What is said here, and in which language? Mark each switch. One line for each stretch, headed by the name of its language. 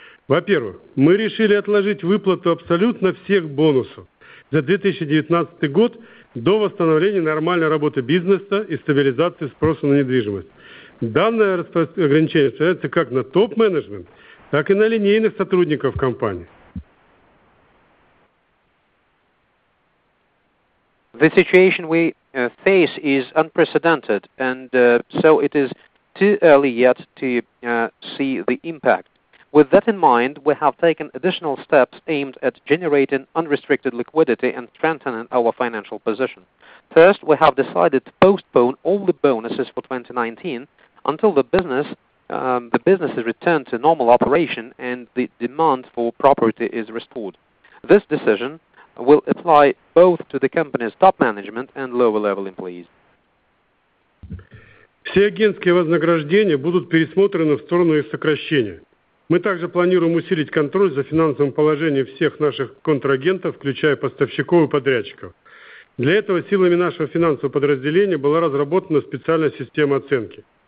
Russian: Во-первых, мы решили отложить выплату абсолютно всех бонусов за 2019 год до восстановления нормальной работы бизнеса и стабилизации спроса на недвижимость. Данное ограничение распространяется как на топ-менеджмент, так и на линейных сотрудников компании.
English: The situation we face is unprecedented, and so it is too early yet to see the impact. With that in mind, we have taken additional steps aimed at generating unrestricted liquidity and strengthening our financial position. First, we have decided to postpone all the bonuses for 2019 until the business has returned to normal operation and the demand for property is restored. This decision will apply both to the company's top management and lower-level employees.
Russian: Все агентские вознаграждения будут пересмотрены в сторону их сокращения. Мы также планируем усилить контроль за финансовым положением всех наших контрагентов, включая поставщиков и подрядчиков. Для этого силами нашего финансового подразделения была разработана специальная система оценки.